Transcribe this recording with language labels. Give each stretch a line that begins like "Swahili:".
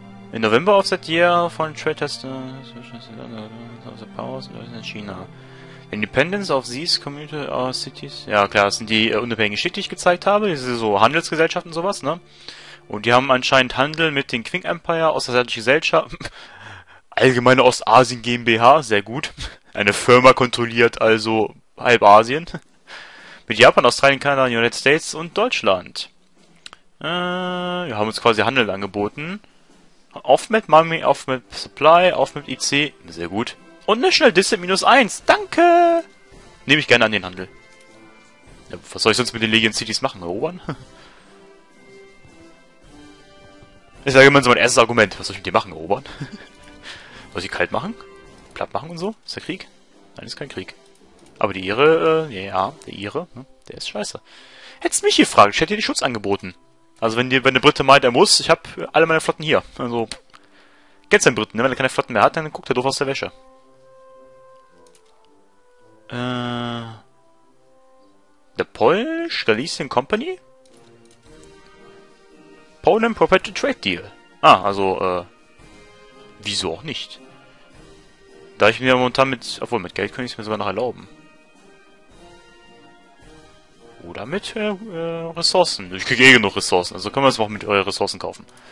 English: In November of that year, foreign trade test. In China. Independence of these community cities.
German: Ja, klar, das sind die unabhängigen Städte, die ich gezeigt habe. Diese so Handelsgesellschaften und sowas, ne? Und die haben anscheinend Handel mit den Qing Empire, ostasiatische Gesellschaft, allgemeine Ostasien GmbH, sehr gut. Eine Firma kontrolliert also halb Asien. Mit Japan, Australien, Kanada, United States und Deutschland. Wir haben uns quasi Handel angeboten. Off-Map Money, Off-Map Supply, Off-Map IC, sehr gut. Und National Distance minus 1, danke! Nehme ich gerne an den Handel. Ja, was soll ich sonst mit den Legion Cities machen, erobern? Ich sage immer so mein erstes Argument. Was soll ich mit dir machen, erobern? Soll ich kalt machen? Platt machen und so? Ist der Krieg? Nein, ist kein Krieg. Aber die Ihre, ja, der Ihre, der ist scheiße. Hättest mich gefragt, ich hätte dir den Schutz angeboten. Also wenn der Brite meint, er muss, ich habe alle meine Flotten hier. Also, kennst du den Briten, ne? Wenn er keine Flotten mehr hat, dann guckt er doof aus der Wäsche.
English: The Polish Galician Company? Poland Perpetual Trade Deal.
German: Ah, also, wieso auch nicht? Da ich mir momentan mit, obwohl mit Geld könnte ich es mir sogar noch erlauben. Oder mit Ressourcen. Ich kriege eh genug Ressourcen, also können wir es auch mit euren Ressourcen kaufen.